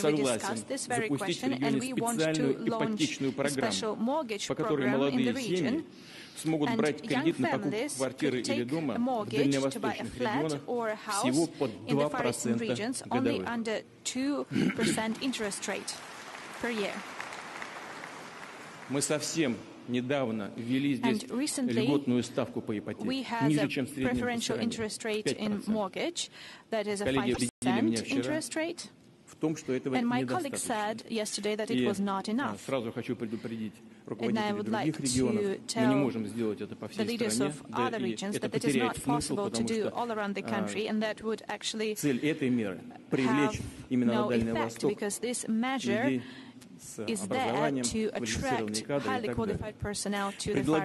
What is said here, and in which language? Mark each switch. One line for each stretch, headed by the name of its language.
Russian: Согласен запустить в регионе специальную ипотечную программу, по которой молодые семьи смогут брать кредит на покупку квартиры или дома в дальневосточных регионах всего по 2% годовых. Мы совсем недавно ввели здесь льготную ставку по ипотеке, ниже, чем средняя по стране, 5%.
English: And my colleague said yesterday that it was not enough.
Russian: Сразу хочу предупредить руководителей других регионов, мы не можем сделать это по всей стране, и это потеряет смысл, потому что цель этой меры – привлечь именно на Дальний Восток людей с образованием, квалифицированные кадры и так далее.